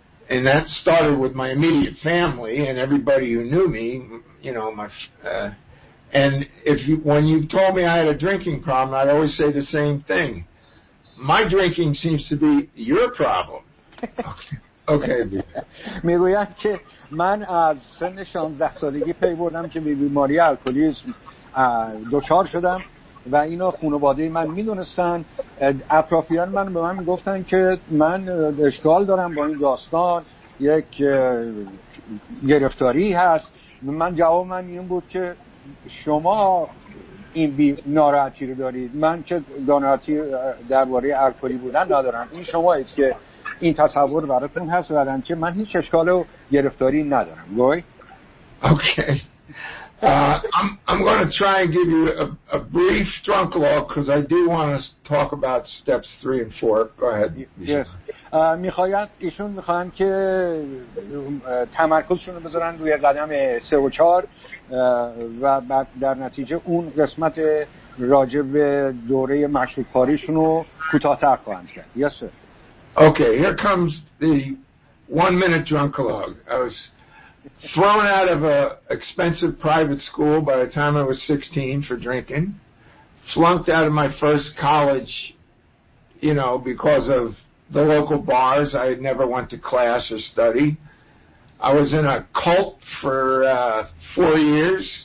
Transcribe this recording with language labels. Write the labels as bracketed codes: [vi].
[en] And that started with my immediate family and everybody who knew me, you know, my and if you, when you told me I had a drinking problem, I'd always say the same thing. My drinking seems to be your problem. Okay. [fa] میگویند که من از سن 16 سالگی پی بردم که به بیماری الکلیسم دچار شدم و اینو خانواده من میدونستن. اطرافیان من به من میگفتن که من اشکال دارم با این داستان، یک گرفتاری هست. من جواب من این بود که شما این ناراحتی رو دارید، من که ناراحتی درباره الکلی بودن ندارم، این شما هست که این تصور براتون هست، بدن که من هیچ اشکال و گرفتاری ندارم. گوی [en] Okay. I'm going to try and give you a brief drunk log because I do want to talk about steps 3 and 4. Go ahead. Yes. [fa] میخواید ایشون میخواهند که تمرکزشون رو بذارن روی قدم 3 و 4 و بعد در نتیجه اون قسمت راجع به دوره مشروع‌کاریشون رو کوتاه‌تر خواهند کرد. [en] Yes, sir. Okay, here comes the 1 minute drunk log. I was thrown out of a expensive private school by the time I was 16 for drinking, flunked out of my first college, you know, because of the local bars. I never went to class or study. I was in a cult for 4 years.